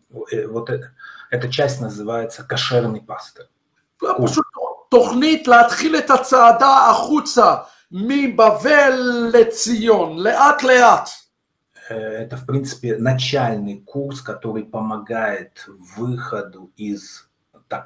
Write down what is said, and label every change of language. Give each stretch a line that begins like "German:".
Russian: И эта часть называется кошерный пастор.
Hebrew: Тохнит להתחיל את הצעדה החוצה. מבבל לציון, לאט לאט.
Russian: Это, в принципе, начальный курс, который помогает выходу из так